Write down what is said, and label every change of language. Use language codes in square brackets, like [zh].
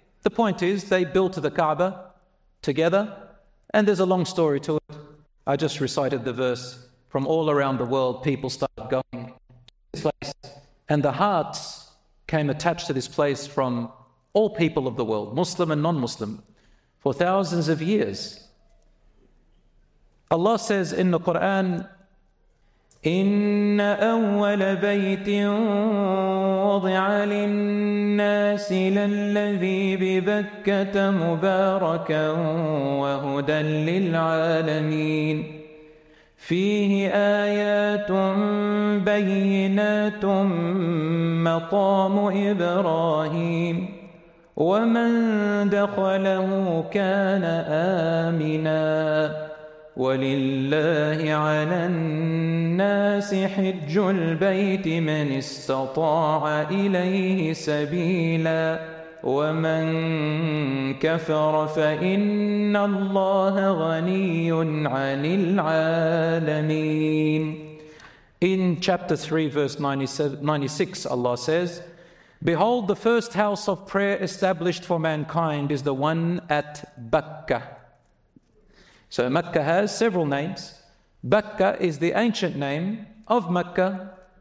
[en] The point is, they built the Kaaba together, and there's a long story to it. I just recited the verse. From all around the world, people started going to this place, and the hearts came attached to this place from all people of the world, Muslim and non-Muslim, for thousands of years. Allah says in the Quran, [ar] إن أول بيت وضع للناس للذي ببكة مباركا وهدى للعالمين فيه آيات بينات مقام إبراهيم ومن دخله كان آمنا ولله على الناس حج البيت من استطاع إليه سبيلا ومن كفر فإن الله غني عن العالمين. [en] In chapter 3 verse 96 Allah says, behold, the first house of prayer established for mankind is the one at Bakkah. So Mecca has several names. Bakkah is the ancient name of Mecca.